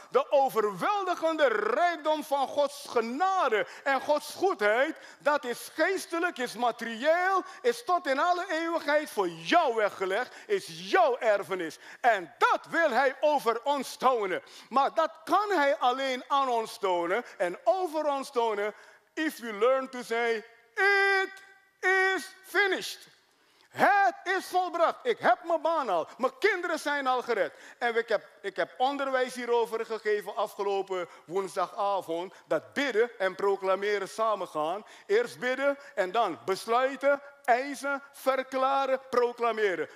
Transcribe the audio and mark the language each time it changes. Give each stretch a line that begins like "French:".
Dutch: De overweldigende rijkdom van Gods genade en Gods goedheid. Dat is geestelijk, is materieel, is tot in alle eeuwigheid voor jou weggelegd. Is jouw erfenis. En dat wil hij over ons tonen. Maar dat kan hij alleen aan ons tonen en over ons tonen.
English: If you learn to say, it is finished.
Dutch: Het is volbracht. Ik heb mijn baan al. Mijn kinderen zijn al gered. En ik heb onderwijs hierover gegeven afgelopen woensdagavond. Dat bidden en proclameren samengaan. Eerst bidden en dan besluiten, eisen, verklaren, proclameren.